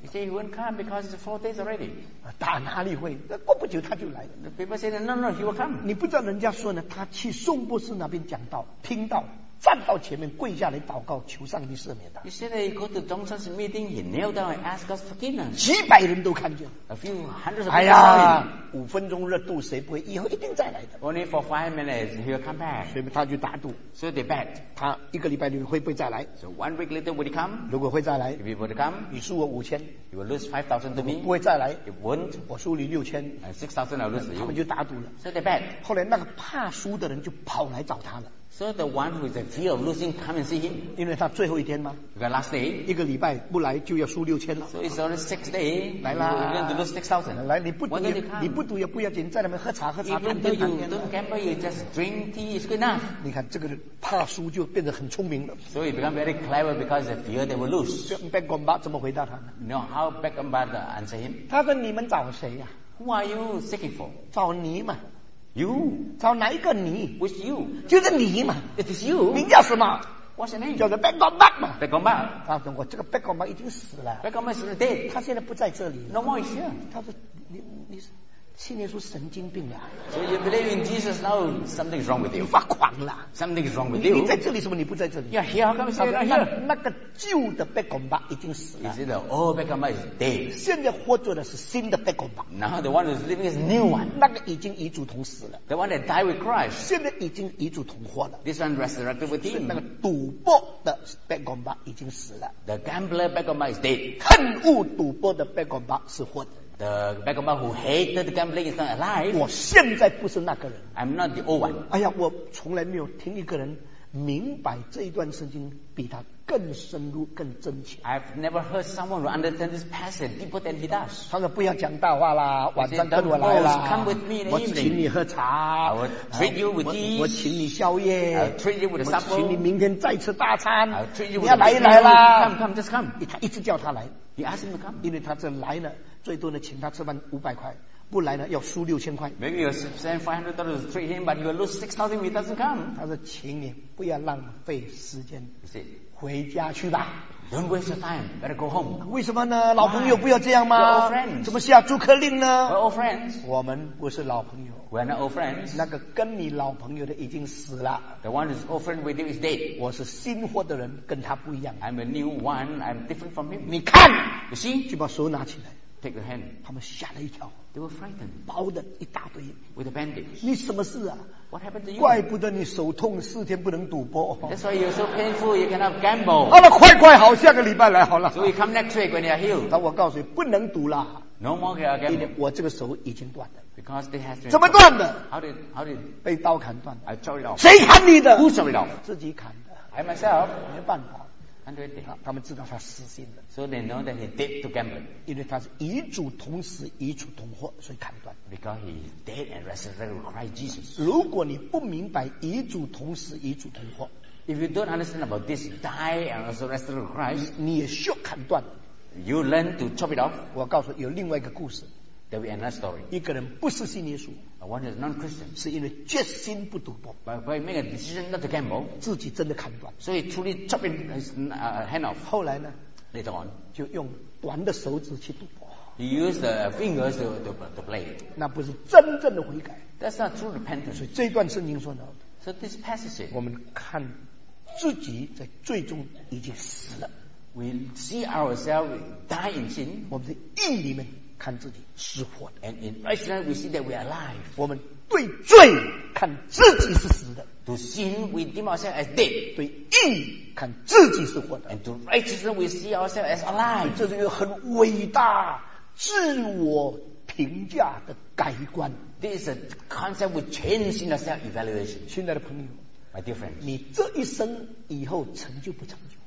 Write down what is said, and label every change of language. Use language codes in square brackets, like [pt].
[en] He said he won't come because it's 4 days already. [zh] 打哪里会？过不久他就来了。 [en] The people said no, no, he will come. [zh] 你不知道人家说呢，他去宋博士那边讲道，听到站到前面跪下来祷告，求上帝赦免他。 [en] He said he go to Zhongshan's meeting, he kneel down and ask God's forgiveness. [zh] 几百人都看见。 [en] A few hundreds. [zh] 哎呀，五分钟热度谁不会？以后一定再来的。 [en] Only for 5 minutes, he will come back. [zh] 所以他就打赌。 [en] So they bet. [zh] 他一个礼拜里会不会再来 [en] ？So 1 week later will he come? [zh] 如果会再来 [en] ，If he would come, [zh] 你输我5000 [en] ，You will lose 5000 to me. [zh] 不会再来 [en] ，It won't. [zh] 我输你6000 [en] ，And 6000 I lose. [zh] 他们就打赌了。 [en] So they bet. [zh] 后来那个怕输的人就跑来找他了。 [en] So the one who is in fear of losing, come and see him. [zh] 因为他最后一天嘛。 [en] The last day. [zh] 一个礼拜不来就要输6000了。 [en] So it's only 6 days. [zh] 来啦。 [en] You're going to lose 6000. [zh] 来，你不赌，你不赌也不要紧，在那边喝茶喝茶。 [en] Even though you don't gamble, you just drink tea. It's good enough. [zh] 你看这个怕输就变得很聪明了。 [en] So he become very clever because of fear they will lose. [zh] Bet Gomba 怎么回答他呢 [en] ？No, how Bet Gomba answer him? [zh] 他说你们找谁呀 [en] ？Who are you seeking for? [zh] 找你嘛。 [en] You [zh] 找哪一个你 [en] ？With you [zh] 就是你嘛 [en] ？It is you [zh] 名叫什么 [en] ？What's your name [zh] 叫做 Bet Gomba 嘛 [en] ？Bet Gomba [zh] 他说我这个 Bet Gomba 已经死了 [en] ，Bet Gomba is dead [zh] 他现在不在这里 [en] ，No more is here [zh] 他说你信耶稣神经病了 [en] ，So you believe in Jesus now something is wrong with you [zh] 发狂了 [en] ，Something is wrong with you [zh] 你在这里什么你不在这里 [en] ？Yeah here come here come here [zh] 那个旧的 Bet Gomba 已经死了 [en] ，Is it the old Bet Gomba is dead [zh] 现在活着的是新的 Bet Gomba [en] Now the one who is living is new one [zh] 那个已经与主同死了 [en] ，The one that died with Christ [zh] 现在已经与主同活了 [en] ，This one resurrected with him [zh] 那个赌博的 Bet Gomba 已经死了 [en] ，The gambler Bet Gomba is dead [zh] 恨恶赌博的 Bet Gomba 是活的。 [en] The Bet Gomba who hated the gambling is not alive. [zh] 我现在不是那个人。 [en] I'm not the old one. [zh] 哎呀，我从来没有听一个人明白这一段圣经比他更深入、更真切。 [en] I've never heard someone who understands this passage deeper than he does. [zh] 他说不要讲大话啦，晚上跟我来啦。 [en] Come with me in the evening. [zh] 我请你喝茶。 [en] I will treat you with tea. [zh] 我请你宵夜。 [en] I'll treat you with a supper. [zh] 我请你明天再吃大餐。 [en] I'll treat you with [zh] 你要来一来啦。 [en] Come, come, just come. [zh] 他一直叫他来。 [en] He asked him to come. [zh] 因为他这来呢。最多呢，请他吃饭500块，不来呢要输6000块。 [en] Maybe you spend $500 to treat him, but you will lose 6,000 if he doesn't come. [zh] 他说，请你不要浪费时间， [en] see, [zh] 回家去吧。 [en] Don't waste your time. Better go home. [zh] 为什么呢？老朋友不要这样吗？ [en] We're old friends. [zh] 怎么下逐客令呢？ [en] We're old friends. [zh] 我们不是老朋友。 [en] We're not old friends. [zh] 那个跟你老朋友的已经死了。 [en] The one who's old friend with you is dead. [zh] 我是新活的人，跟他不一样。 [en] I'm a new one. I'm different from him. [zh] 你看， [en] you see, [zh] 就把手拿起来。 [en] Take your hand. [zh] 他们吓了一跳。 [en] They were frightened. [zh] 包的一大堆。 [en] With a bandage. [zh] 你什么事啊？ [en] What happened to you? [zh] 怪不得你手痛，四天不能赌博。 [en] That's why you're so painful. You cannot gamble. [zh] 好了，快快好，下个礼拜来好了。 [en] So you come next week when you're healed. [zh] 但我告诉你，不能赌了。 [en] No more can I gamble. [zh] 我这个手已经断了。 [en] Because they have to. [zh] 怎么断的？ [en] How did? [zh] 被刀砍断 [en] 的。I chopped it off. [zh] 谁砍你的？ [en] Who chopped it off? [zh] 自己砍的。 [en] I myself. [zh] 没办法。 100 他们知道他死心了 [en] ，so they know that he dead to gamble， [zh] 因为他是与主同死，与主同活，所以砍断。 [en] Because he dead and resurrected with Christ Jesus。 [zh] 如果你不明白与主同死，与主同活 [en] ，if you don't understand about this die and also resurrected with Christ， [zh] 你也需要砍断。 [en] You learn to chop it off。 [zh] 我告诉你有另外一个故事 [en] ，there will be another story。 [zh] 一个人不是信耶稣 [en] ，one is non-Christian， [zh] 是因为决心不赌博。 [en] But make a decision not to gamble， [zh] 自己真的砍断，所以 [en] truly chop his hand off。 [zh] 后来呢 [en] ？Later on， [zh] 就用短的手指去赌博。 [en] He used the fingers to play。 [zh] 那不是真正的悔改。 [en] That's not true repentance。 [zh] 所以这段圣经说呢 [en] ，So this passage， [zh] 我们看自己在最终已经死了。 [en] we see ourselves die in sin. [zh] 我们在义里面看自己是活的。 [en] And in righteousness, we see that we are alive. [zh] 我们对罪看自己是死的。 [en] To sin, we deem ourselves as dead. [zh] 对义看自己是活的。 [en] And to righteousness, we see ourselves as alive. [zh] 这是一个很伟大自我评价的改观。 [en] This is a concept which changes in the self-evaluation. [zh] 亲爱的朋友 [en] ，My dear friends， [zh] 你这一生以后成就不成就